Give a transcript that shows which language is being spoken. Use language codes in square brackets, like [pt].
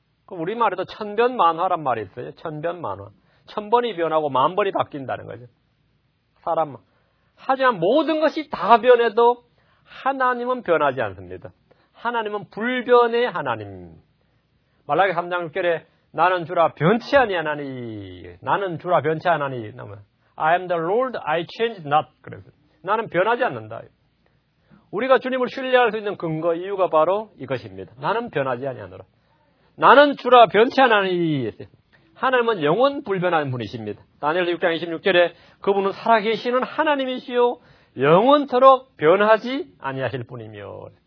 [ko] 우리말에도 천변만화란 말이 있어요. 천변만화. 천번이 변하고 만번이 바뀐다는 거죠. 사람. 하지만 모든 것이 다 변해도 하나님은 변하지 않습니다. 하나님은 불변의 하나님. 말라기 3장 6절에 나는 주라 변치 아니하나니. 나는 주라 변치 아니하니. [en] I am the Lord, I change not. [ko] 그래서 나는 변하지 않는다. 우리가 주님을 신뢰할 수 있는 근거 이유가 바로 이것입니다. 나는 변하지 아니하노라. 나는 주라 변치 아니하니. 하나님은 영원 불변한 분이십니다. 다니엘 6장 26절에 그분은 살아계시는 하나님이시요 영원토록 변하지 아니하실 분이며.